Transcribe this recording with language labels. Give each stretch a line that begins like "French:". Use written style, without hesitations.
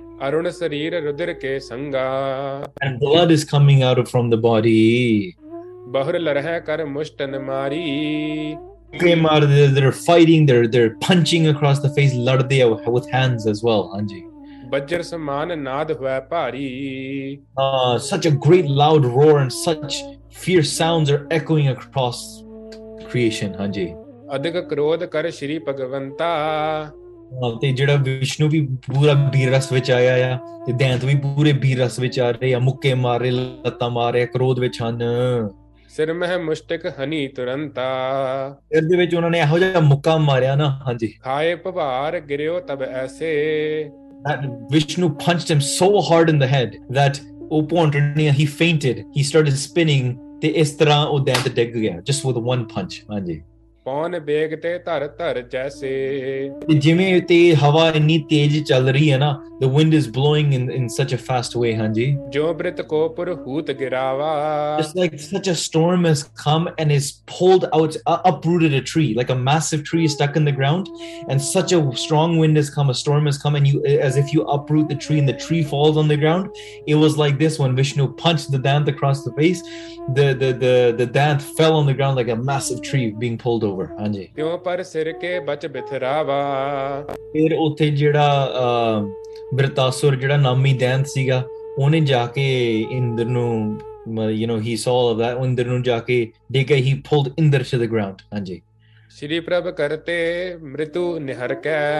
Punjabi: ਅਰੁਣ ਸਰੀਰ ਰੁਦਰ ਕੇ ਸੰਗਾ,
English: and blood is coming out from the body,
Punjabi: ਬਹੁਰ ਲਰਹਿ ਕਰ ਮੁਸ਼ਟਨ ਮਾਰੀ, ਕੇ ਮਾਰ ਦੇ ਦੇ ਫਾਈਟਿੰਗ ਦੇ
English: punching across the face,
Punjabi: ਲੜਦੇ ਆ
English: With hands as well.
Punjabi: ਹਾਂਜੀ ਬੱਜਰ ਸਮਾਨ ਨਾਦ ਹੋਇਆ ਭਾਰੀ
English: such a great loud roar and such fierce sounds are echoing across creation hanji
Punjabi: adhik krodh kar shri bhagavanta ਤੇ ਜਿਹੜਾ ਵਿਸ਼ਨੂੰ ਵੀ ਪੂਰਾ ਬੀਰ ਰਸ ਵਿੱਚ ਆਇਆ ਆ ਤੇ ਦੈਂਤ ਵੀ ਪੂਰੇ ਬੀਰ ਰਸ ਵਿੱਚ ਆ ਰਹੇ ਆ ਮੁੱਕੇ ਮਾਰ ਰਹੇ ਲੱਤਾਂ ਮਾਰ ਰਹੇ ਕ੍ਰੋਧ ਵਿੱਚ ਹਨ ਸਿਰ ਮਹਿ ਮੁਸ਼ਟਿਕ ਹਨੀ ਤੁਰੰਤਾ ਸਿਰ ਦੇ ਵਿੱਚ ਉਹਨਾਂ ਨੇ ਇਹੋ ਜਿਹਾ ਮੁੱਕਾ ਮਾਰਿਆ ਨਾ ਹਾਂਜੀ ਖਾਏ ਭਵਾਰ ਗਿਰਿਓ ਤਬ ਐਸੇ
English: that Vishnu punched him so hard in the head that Upontrania he fainted he started spinning
Punjabi: ਤੇ ਇਸ ਤਰ੍ਹਾਂ ਉਹ ਦੈਂਤ ਡਿੱਗ ਗਿਆ
English: just with one punch ਹਾਂਜੀ
Punjabi: ਪੌਣ ਬੇਗ ਤੇ ਧਰ ਧਰ ਜੈਸੇ ਜਿਵੇਂ ਤੇ ਹਵਾ ਇੰਨੀ ਤੇਜ਼ ਚੱਲ ਰਹੀ ਹੈ ਨਾ
English: the wind is blowing in such a fast way
Punjabi: ਹਾਂਜੀ ਜੋ ਬ੍ਰਿਤ ਕੋ ਪੁਰ ਹੂਤ ਗਿਰਾਵਾ
English: just like such a storm has come and is pulled out uprooted a tree like a massive tree is stuck in the ground and such a strong wind has come a storm has come and you as if you uproot the tree and the tree falls on the ground it was like this when Vishnu punched the dant across the face the dant fell on the ground like a massive tree being pulled over ਹਾਂਜੀ
Punjabi: ਕਿਉਂ ਪਰ ਸਿਰ ਕੇ ਬਚ ਬਿਥਰਾਵਾ ਫਿਰ ਉੱਥੇ ਜਿਹੜਾ ਬ੍ਰਤਾਸੁਰ ਜਿਹੜਾ ਨਾਮੀ ਦੈਂਤ ਸੀਗਾ ਉਹਨੇ ਜਾ ਕੇ ਇੰਦਰ ਨੂੰ
English: you know he saw all of that
Punjabi: Inder ਨੂੰ ਜਾ ਕੇ ਡੇਗਾ
English: he pulled
Punjabi: Inder
English: to the ground
Punjabi: ਹਾਂਜੀ ਸ਼੍ਰੀ ਪ੍ਰਭ ਕਰਤੇ ਮ੍ਰਿਤੂ ਨਿਹਰ ਕੈ